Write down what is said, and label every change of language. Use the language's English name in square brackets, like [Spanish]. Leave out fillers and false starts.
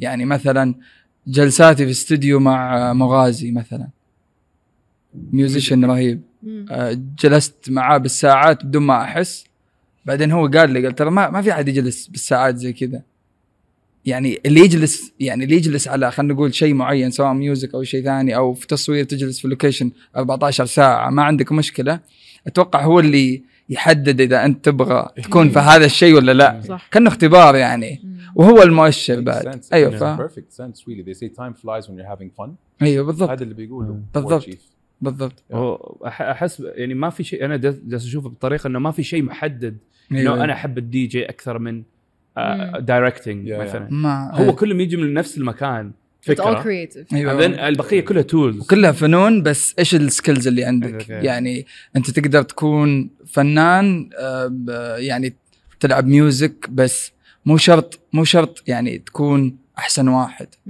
[Arabic] يعني مثلا جلساتي في استوديو مع مغازي مثلا ميوزيشن رهيب جلست معاه بالساعات بدون ما أحس، بعدين هو قال ترى ما في أحد يجلس بالساعات زي كذا، يعني اللي يجلس على خلنا نقول شيء معين سواء ميوزك أو شيء ثاني أو في تصوير تجلس في لوكيشن 14 ساعة ما عندك مشكلة، أتوقع هو اللي يحدد إذا أنت تبغى تكون في هذا الشيء ولا لا، كأنه اختبار يعني. وهو المؤشر بعد. [English] أيوه perfect sense really they say time flies when you're having fun. [Arabic] أيوه بالضبط هذا اللي بيقوله بالضبط. احس يعني ما في شيء، انا جالس اشوفه بطريقه انه ما في شيء محدد انه انا احب الدي جي اكثر من دايركتنج مثلا. هو كلهم يجي من نفس المكان فكره، البقيه كلها تولز كلها فنون، بس ايش السكيلز اللي عندك؟ يعني انت تقدر تكون فنان يعني تلعب ميوزك، بس مو شرط يعني تكون احسن واحد.